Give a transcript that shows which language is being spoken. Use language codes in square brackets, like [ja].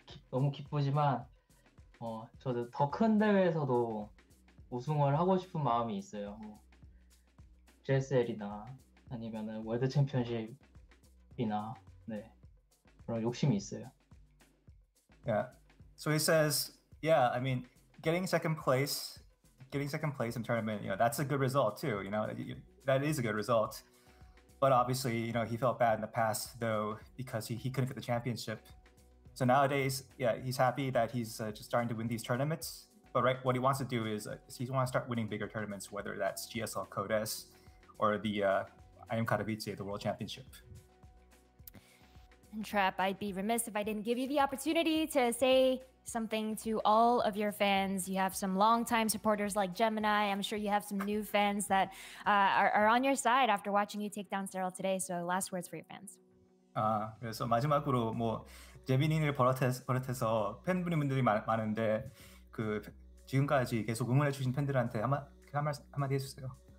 [ko] 너무 기쁘지만 저도 더 큰 대회에서도 우승을 하고 싶은 마음이 있어요. 뭐, GSL이나 아니면은 월드 챔피언십이나 네. 그런 욕심이 있어요. [en] Yeah. So he says, yeah, I mean, getting second place in tournament, you know, that's a good result too, you know. That is a good result. But obviously, you know, he felt bad in the past though because he couldn't get the championship. So nowadays, yeah, he's happy that he's just starting to win these tournaments. But right, what he wants to do is he wants to start winning bigger tournaments, whether that's GSL CODES or the IM Katowice, the World Championship. And Trap, I'd be remiss if I didn't give you the opportunity to say something to all of your fans. You have some longtime supporters like Gemini. I'm sure you have some new fans that are on your side after watching you take down Cyril today. So last words for your fans. [ko] 그래서 마지막으로 뭐 제빈이를 버릇해서 팬분들이 많은데 그 지금까지 계속 응원해 주신 팬들한테 한마디 해주세요.